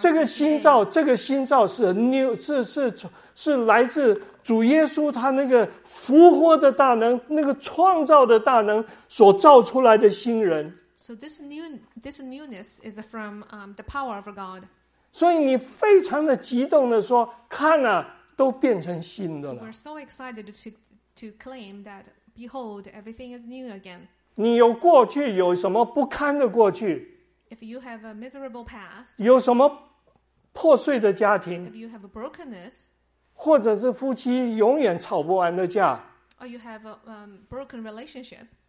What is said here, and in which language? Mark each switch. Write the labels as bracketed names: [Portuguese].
[Chinese] 这个新造是 new， 是来自主耶稣他那个复活的大能，那个创造的大能所造出来的新人。 [English] So this newness is from the power of God. [Chinese] 所以你非常的激动的说，看啊，都变成新的了。 [English] So we're so excited to claim that behold, everything is new again. [Chinese] 你有过去，有什么不堪的过去 [English] ？If you have a miserable past， [Chinese] 有什么破碎的家庭 [English] ？If you have a brokenness， [Chinese] 或者是夫妻永远吵不完的架 [English] ？Or you have a broken relationship，